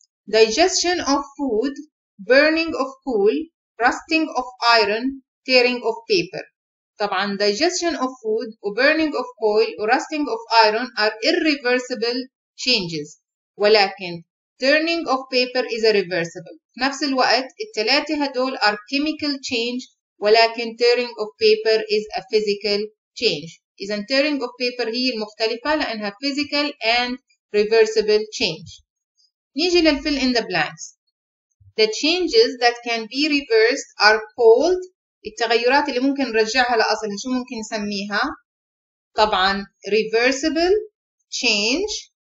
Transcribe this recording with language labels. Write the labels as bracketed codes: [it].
[en] Digestion of food, burning of coal, rusting of iron, tearing of paper. طبعاً digestion of food, or burning of coal, or rusting of iron are irreversible changes. ولكن turning of paper is a reversible. [ar] نفس الوقت التلاتة هدول [en] are chemical change. ولكن tearing of paper is a physical change. إذا tearing of paper [ar] هي المختلفة لأنها [en] physical and reversible change. نيجي للfill in the blanks. The changes that can be reversed are called, [ar] التغيرات اللي ممكن نرجعها لأصلها شو ممكن نسميها؟ [en] طبعا reversible change.